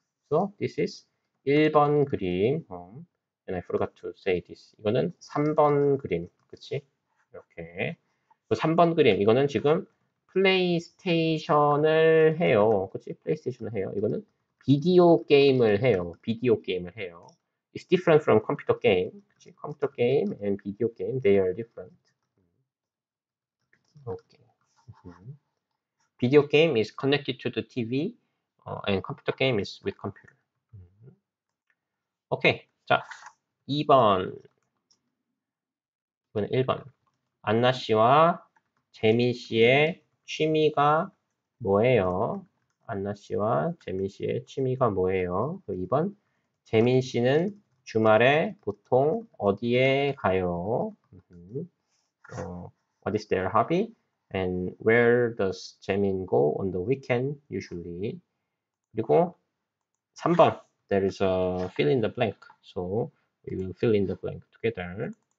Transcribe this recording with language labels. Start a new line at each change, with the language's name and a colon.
English: So, this is 1번 그림. And I forgot to say this.
Korean: 이거는 3번 그림. 그치? 이렇게. 3번 그림. 이거는 지금 플레이스테이션을 해요. 그치? 플레이스테이션을 해요. 이거는 비디오 게임을 해요. 비디오 게임을 해요.
English: It's different from computer game. 그치? Computer game and video game, they are different.
Korean: 비디오 게임.
English: Video game is connected to the TV, and computer game is with computer.
Korean: 오케이. 자, 2번. 이번엔 1번. 안나 씨와 재민 씨의 취미가 뭐예요? 안나 씨와 재민 씨의 취미가 뭐예요? 2번. 재민 씨는 주말에 보통 어디에 가요?
English: What is their hobby? And where does Jaemin go on the weekend usually? 그리고 3번. There is a fill in the blank. So we will fill in the blank together.